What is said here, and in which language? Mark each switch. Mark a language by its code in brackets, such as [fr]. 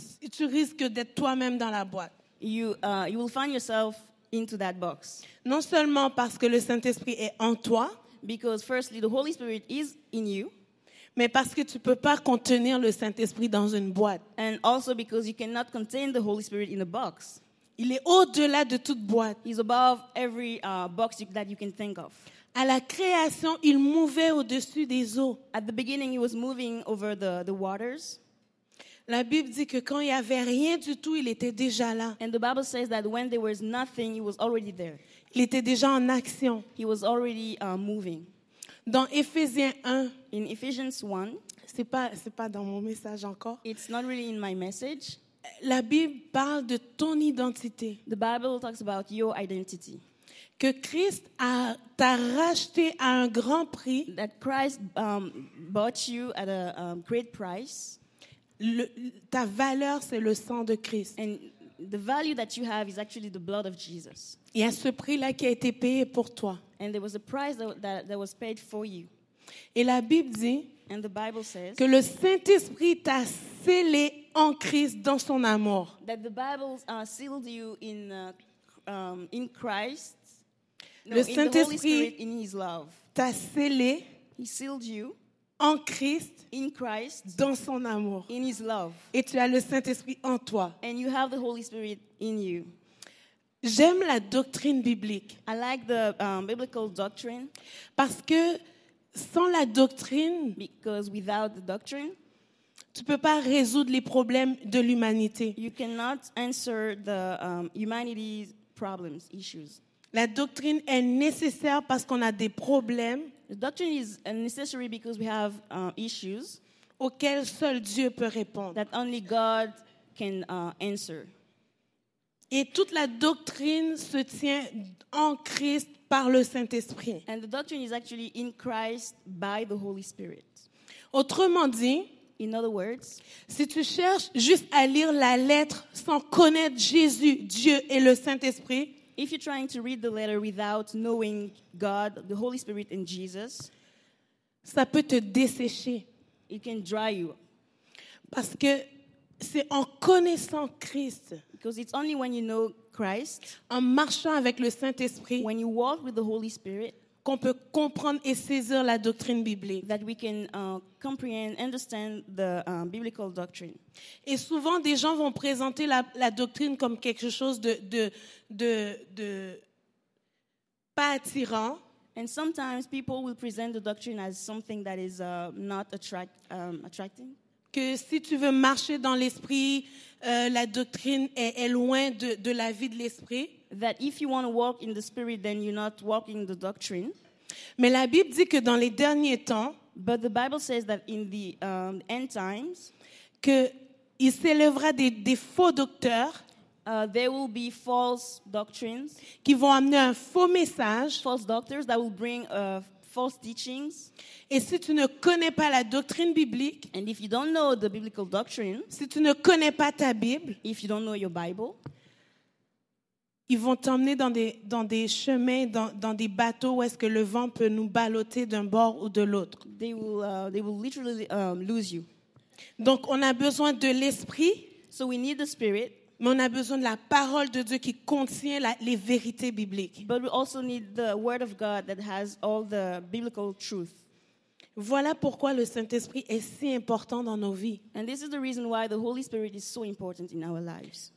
[fr] tu risques d'être toi-même dans la boîte. [en] You will find yourself into that box. [fr] Non seulement parce que le Saint-Esprit est en toi, [en] because firstly the Holy Spirit is in you, [fr] mais parce que tu peux pas contenir le Saint-Esprit dans une boîte. [en] And also because you cannot contain the Holy Spirit in a box. [fr] Il est au-delà de toute boîte. [en] He's above every box that you can think of. [fr] À la création, il mouvait au-dessus des eaux. [en] At the beginning, he was moving over the waters. [fr] La Bible dit que quand il n'y avait rien du tout, il était déjà là. [en] And the Bible says that when there was nothing, he was already there. [fr] Il était déjà en action. [en] He was already moving. [fr] Dans Éphésiens 1. [en] In Ephesians 1. [fr] C'est pas dans mon message encore. [en] It's not really in my message. [fr] La Bible parle de ton identité. [en] The Bible talks about your identity. [fr] Que Christ t'a racheté à un grand prix. [en] That Christ bought you at a great price. [fr] Ta valeur, c'est le sang de Christ. [en] And the value that you have is actually the blood of Jesus. [fr] Il y a ce prix-là qui a été payé pour toi. [en] And there was a price that was paid for you. [fr] Et la Bible dit, [en] and the Bible says, [fr] que le Saint-Esprit t'a scellé en Christ dans son amour. [en] That the Bible sealed you in Christ. [fr] Le Saint-Esprit [en] in his love. [fr] T'a scellé. [en] He sealed you. [fr] En Christ, [en] in Christ, [fr] dans son amour, [en] in his love, [fr] et tu as le Saint-Esprit en toi. [en] And you have the Holy Spirit in you. [fr] J'aime la doctrine biblique. [en] I like the biblical doctrine. [fr] Parce que sans la doctrine, [en] because without the doctrine, [fr] tu peux pas résoudre les problèmes de l'humanité. [en] You cannot answer the humanity's problems, issues. [fr] La doctrine est nécessaire parce qu'on a des problèmes. [en] The doctrine is necessary because we have issues [fr] auxquels seul Dieu peut répondre. [en] That only God can answer. [fr] Et toute la doctrine se tient en Christ par le Saint-Esprit. [en] And the doctrine is actually in Christ by the Holy Spirit. [fr] Autrement dit, [en] in other words, [fr] si tu cherches juste à lire la lettre sans connaître Jésus, Dieu et le Saint-Esprit, [en] if you're trying to read the letter without knowing God, the Holy Spirit, and Jesus, [fr] ça peut te dessécher. [en] It can dry you. [fr] Parce que c'est en connaissant Christ, [en] because it's only when you know Christ, [fr] en marchant avec le Saint-Esprit, [en] when you walk with the Holy Spirit, [fr] qu'on peut comprendre et saisir la doctrine biblique. [en] That we can comprehend, understand the biblical doctrine. [fr] Et souvent, des gens vont présenter la doctrine comme quelque chose de pas attirant. [en] And sometimes people will present the doctrine as something that is not attracting. [fr] Que si tu veux marcher dans l'esprit, la doctrine est loin de la vie de l'esprit. [en] That if you want to walk in the spirit, then you're not walking the doctrine. [fr] Mais la Bible dit que dans les derniers temps, [en] but the Bible says that in the end times, [fr] que il s'élèvera des faux docteurs, [en] there will be false doctrines, [fr] qui vont amener un faux message, [en] false doctors that will bring false teachings. [fr] Et si tu ne connais pas la doctrine biblique, [en] and if you don't know the biblical doctrine, [fr] si tu ne connais pas ta Bible, [en] if you don't know your Bible, [fr] ils vont t'emmener dans des chemins, dans des bateaux où est-ce que le vent peut nous balloter d'un bord ou de l'autre. [en] They will literally lose you. [fr] Donc on a besoin de l'esprit. [en] So we need the spirit. [fr] Mais on a besoin de la parole de Dieu qui contient les vérités bibliques. [en] But we also need the word of God that has all the biblical truth. [fr] Voilà pourquoi le Saint-Esprit est si important dans nos vies. [en] And this is the reason why the Holy Spirit is so important in our lives.